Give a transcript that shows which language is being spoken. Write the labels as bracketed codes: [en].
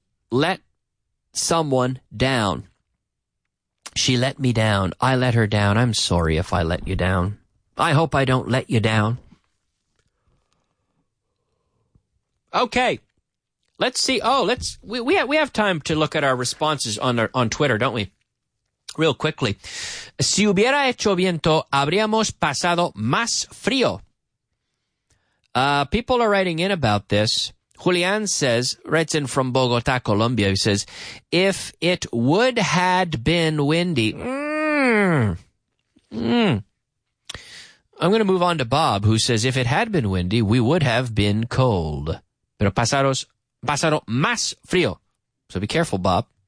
[en] Let someone down. She let me down. I let her down. I'm sorry if I let you down. I hope I don't let you down. Okay. Let's see. Oh, we have time to look at our responses on Twitter, don't we? Real quickly. [es] Si hubiera hecho viento, habríamos pasado más frío. [en] People are writing in about this. Julian says, writes in from Bogota, Colombia, he says, if it would had been windy. I'm going to move on to Bob, who says, if it had been windy, we would have been cold. [es] Pero pasaron más frío. [en] So be careful, Bob.